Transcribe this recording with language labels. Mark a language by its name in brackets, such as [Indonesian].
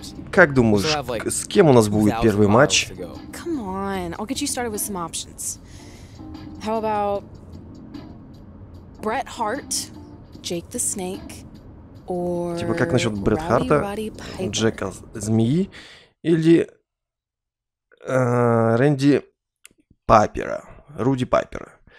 [Russian] Как думаешь, с кем у нас будет первый матч? [English] Come on, I'll get you started with some options. How about Bret Hart, Jake the Snake, or [Russian] типа как насчет Бретта Харта, Джека Змеи или Рэнди Пайпера, Руди Пайпера?